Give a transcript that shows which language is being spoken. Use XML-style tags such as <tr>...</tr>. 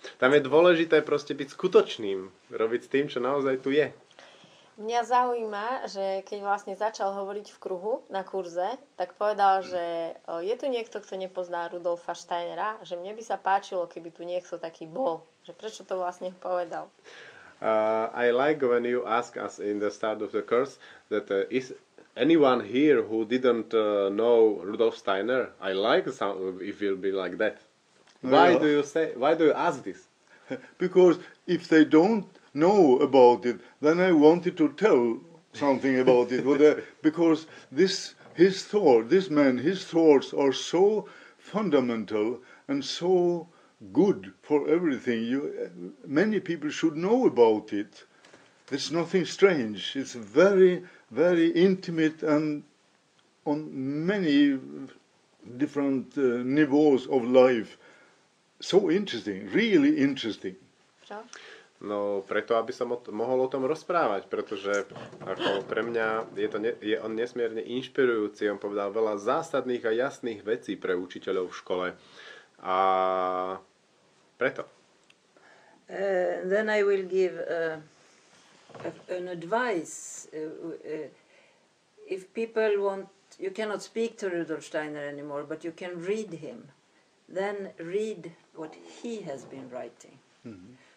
<sk>Tam je dôležité proste byť skutočným, robiť s tým, čo naozaj tu je. Mňa zaujíma, že keď vlastne začal hovoriť v kruhu na kurze, tak povedal, že je tu niekto, kto nepozná Rudolfa Steinera, že mne by sa páčilo, keby tu niekto taký bol. Že prečo to vlastne povedal?</sk> <en>I like when you ask us in the start of the course that is anyone here who didn't know Rudolf Steiner? I like some, if it will be like that. Why do you ask this? Because if they don't know about it, then I wanted to tell something about it. But, because his thoughts are so fundamental and so good for everything. Many people should know about it. It's nothing strange. It's very, very intimate and on many different niveaus of life. So interesting, really interesting.</en> <sk>No, preto, aby som mohol o tom rozprávať, pretože ako pre mňa je on nesmierne inšpirujúci. On povedal veľa zásadných a jasných vecí pre učiteľov v škole. A preto.</sk> <en>Then I will give an advice. If people want, you cannot speak to Rudolf Steiner anymore, but you can read him. Then read what he has been writing. Mm-hmm.</en>